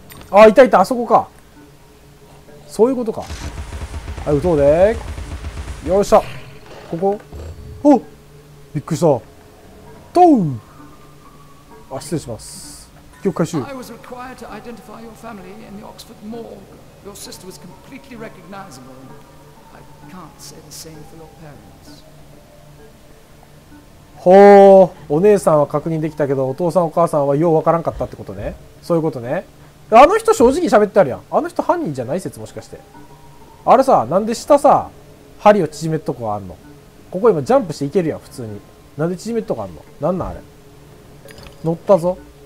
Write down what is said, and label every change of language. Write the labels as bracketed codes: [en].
[ja] あ、いたいた、あそこか。そういうことか。はい、撃とうでー。よっしゃ、ここ。お、びっくりした。トーン。あ、失礼します、記憶回収。 [en] I was required to identify your family in the Oxford Mall. Your sister was completely recognizable. I can't say the same for your parents. [ja] ほう、お姉さんは確認できたけど、お父さんお母さんはようわからんかったってことね。そういうことね。あの人正直喋ってあるやん。あの人犯人じゃない説、もしかして。あれさ、なんで下さ針を縮めっとこがあんの。ここ今ジャンプしていけるやん普通に、なんで縮めっとこあんの。なんなんあれ。乗ったぞ。